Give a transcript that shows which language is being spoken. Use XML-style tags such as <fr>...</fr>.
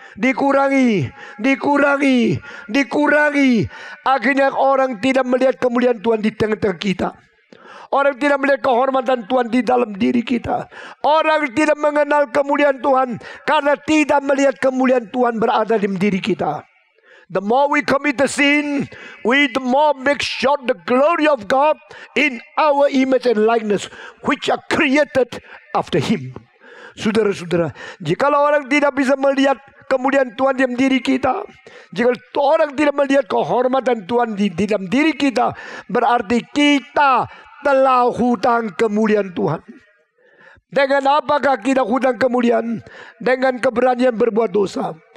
<id>Akhirnya orang tidak melihat kemuliaan Tuhan di tengah-tengah kita. Orang tidak melihat kehormatan Tuhan di dalam diri kita. Orang tidak mengenal kemuliaan Tuhan karena tidak melihat kemuliaan Tuhan berada di diri kita.</id> <en>The more we commit the sin, the more make sure the glory of God in our image and likeness, which are created after Him.</en> <id>Saudara-saudara, jika orang tidak bisa melihat kemuliaan Tuhan di dalam diri kita, jika orang tidak melihat kehormatan Tuhan di dalam diri kita, berarti kita telah hutang kemuliaan Tuhan. Dengan apakah kita hutang kemuliaan? Dengan keberanian berbuat dosa.</id>